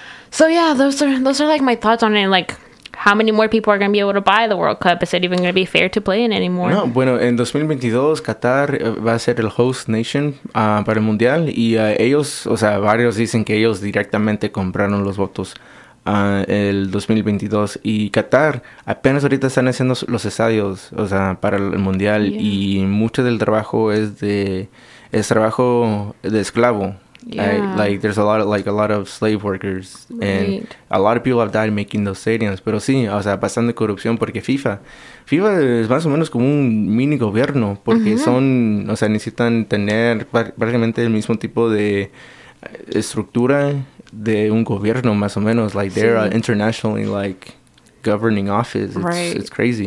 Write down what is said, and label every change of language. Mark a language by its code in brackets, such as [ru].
[en] So yeah, those are like my thoughts on it. Like, how many more people are going to be able to buy the World Cup? Is it even going to be fair to play in anymore? [es] No, bueno, en 2022 Qatar va a ser el host nation para el mundial y ellos, o sea, varios dicen que ellos directamente compraron los votos el 2022 y Qatar apenas ahorita están haciendo los estadios, o sea, para el mundial yeah. y mucho del trabajo es de es trabajo de esclavo. [en] Yeah. Like there's a lot of slave workers, right. And a lot of people have died making those stadiums. [es] Pero sí, o sea, pasando corrupción, porque FIFA es más o menos como un mini gobierno, porque uh-huh. son, o sea, necesitan tener prácticamente el mismo tipo de estructura de un gobierno, más o menos. [en] Like sí. They're internationally like governing office. It's, right. It's crazy.